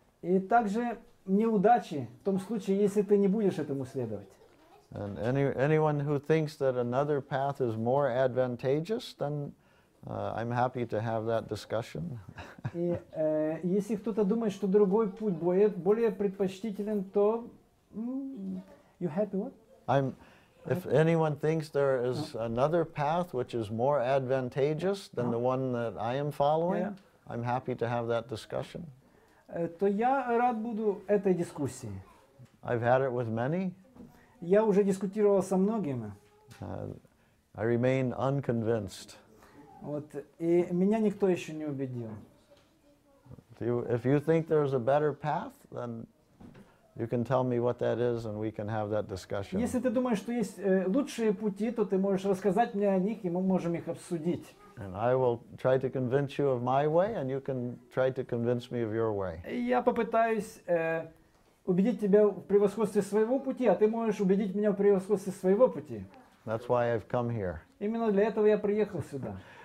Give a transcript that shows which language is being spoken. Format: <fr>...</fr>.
<ru>И также неудачи в том случае, если ты не будешь этому следовать.</ru> <en>And anyone who thinks that another path is more advantageous, then I'm happy to have that discussion.</en> <ru>И если кто-то думает, что другой путь более предпочтителен, то</ru> <en>you happy what? If anyone thinks there is another path which is more advantageous than the one that I am following, I'm happy to have that discussion.</en> <ru>То я рад буду этой дискуссии.</ru> <en>I've had it with many.</en> <ru>Я уже дискутировал со многими.</ru> <en>I remain unconvinced.</en> <ru>Вот, и меня никто еще не убедил.</ru> <en>If you think there's a better path, then you can tell me what that is, and we can have that discussion.</en> <ru>Если ты думаешь, что есть лучшие пути, то ты можешь рассказать мне о них, и мы можем их обсудить.</ru> <en>And I will try to convince you of my way, and you can try to convince me of your way.</en> <ru>Я попытаюсь убедить тебя в превосходстве своего пути, а ты можешь убедить меня в превосходстве своего пути.</ru> <en>That's why I've come here.</en> <ru>Именно для этого я приехал сюда.</ru>